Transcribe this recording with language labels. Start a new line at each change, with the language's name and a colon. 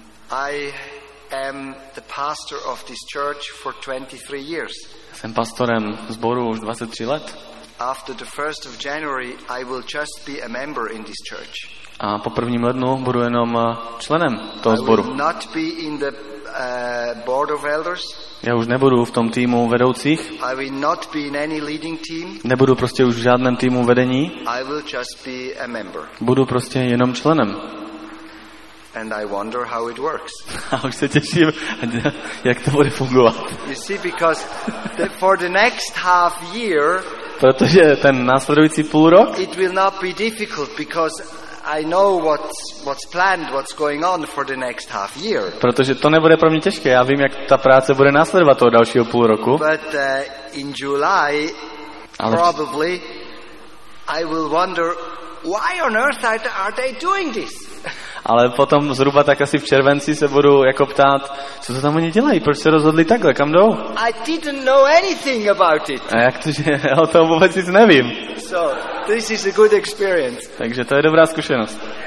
English: I am the pastor of this church for 23 years.
Czech: Jsem pastorem sboru už 23 let.
English: After the 1st of January, I will just be a member in this church.
Czech: A po 1. lednu budu jenom členem toho sboru.
English: I will not be in the board of elders.
Czech: Já už nebudu v tom týmu vedoucích.
English: I will not be in any leading team.
Czech: Nebudu prostě už v žádném týmu vedení.
English: I will just be a member.
Czech: Budu prostě jenom členem.
English: And I wonder how it works.
Czech: A už se těším, jak to bude fungovat.
English: You see, because for the next half year.
Czech: Protože ten následující půl rok.
English: It will not be difficult because I know what's planned, what's going on for the next half year.
Czech: Protože to nebude pro mě těžké. Já vím, jak ta práce bude následovat toho dalšího půl roku.
English: But in July, probably, I will wonder why on earth are they doing this?
Czech: Ale potom zhruba tak asi v červenci se budu jako ptát, co to tam oni dělají, proč se rozhodli takhle, kam jdou?
English: I didn't know anything about it.
Czech: A jak to, že já o tom vůbec nic nevím.
English: So, this is a good experience.
Czech: Takže to je dobrá zkušenost.